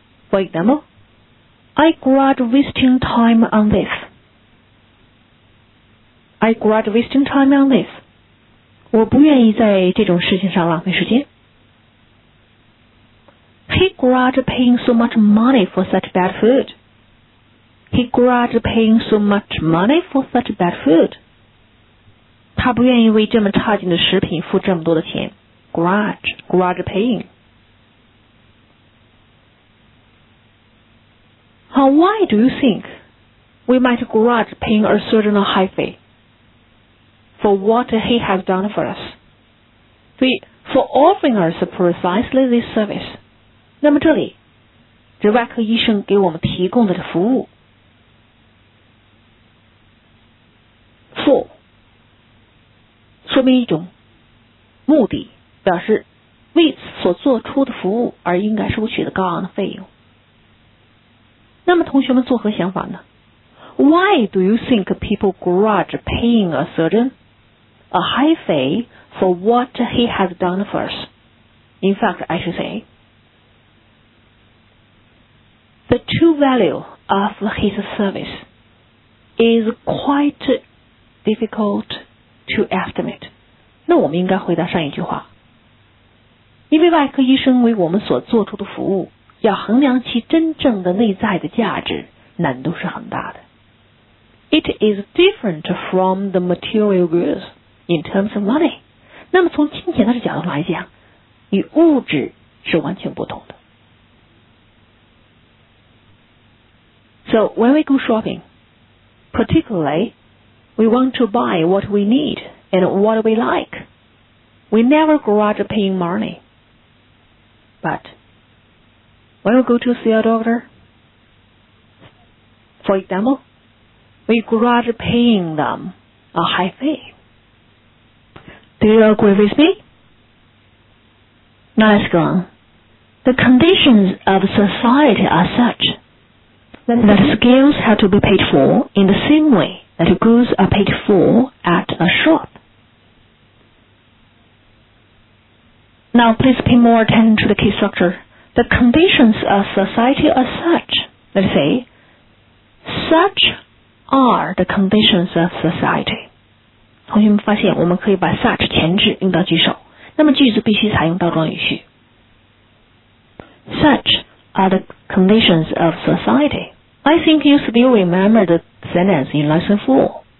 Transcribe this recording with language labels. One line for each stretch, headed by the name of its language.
English: For example, I grudge wasting time on this. I grudge wasting time on this.
Chinese: 我不愿意在这种事情上浪费时间。
English: He grudge paying so much money for such bad food. He grudged paying so much money for such bad food.
Chinese: 他不愿意为这么差劲的食品付这么多的钱。
English: Grudge paying. Why do you think we might grudge paying a certain high fee for what he has done for us? For offering us precisely this service.
Chinese: 那么这里，这外科医生给我们提供的服务说明一种目的，表示为所做出的服务而应该收取的高昂的费用。那么同学们作何想法呢？
English: Why do you think people grudge paying a surgeon a high fee for what he has done for us? In fact, I should say the true value of his service is quite difficult to estimate.
Chinese: 那我们应该回答上一句话，因为外科医生为我们所做出的服务，要衡量其真正的内在的价值，难度是很大的。
English: It is different from the material goods in terms of money.
Chinese: 那么从金钱的角度来讲，与物质是完全不同的。
English: So when we go shopping, particularly, we want to buy what we need. And what we like, we never grudge paying money. But when we go to see a doctor, for example, we grudge paying them a high fee. Do you agree with me? Now let's go on. The conditions of society are such that skills have to be paid for in the same way that goods are paid for at a shop. Now please pay more attention to the key structure. The conditions of society are such, let's say, such are the conditions of society.
Chinese: 同学们发现我们可以把 such 前置用到句首，那么句子必须采用倒装语序。
English: Such are the conditions of society. I think you still remember the sentence in lesson 4.